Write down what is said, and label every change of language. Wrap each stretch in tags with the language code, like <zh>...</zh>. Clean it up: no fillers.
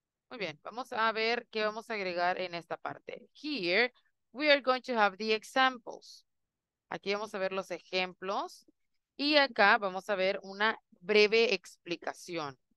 <es>Muy bien, vamos a ver qué vamos a agregar en esta parte.</es> <en>Here, we are going to have the examples.</en> <es>Aquí vamos a ver los ejemplos. Y acá vamos a ver una breve explicación.</es>